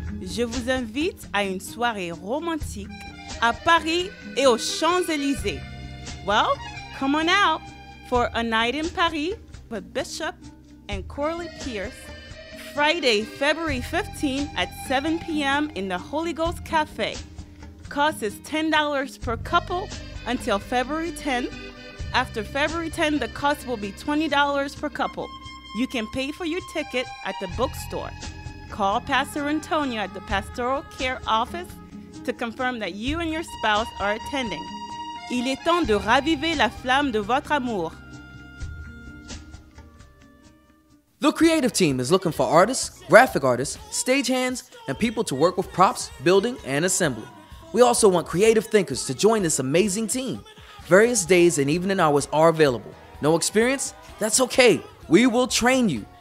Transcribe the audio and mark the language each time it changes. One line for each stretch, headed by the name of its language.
French: Je vous invite à une soirée romantique à Paris et aux Champs-Élysées.
English: Well, come on out for a night in Paris with Bishop and Coralie Pierce, Friday, February 15th at 7 p.m. in the Holy Ghost Cafe. Cost is $10 per couple until February 10th. After February 10th, the cost will be $20 per couple. You can pay for your ticket at the bookstore. Call Pastor Antonio at the Pastoral Care Office to confirm that you and your spouse are attending.
French: Il est temps de raviver la flamme de votre amour.
English: The creative team is looking for artists, graphic artists, stagehands, and people to work with props, building, and assembly. We also want creative thinkers to join this amazing team. Various days and evening hours are available. No experience? That's okay. We will train you.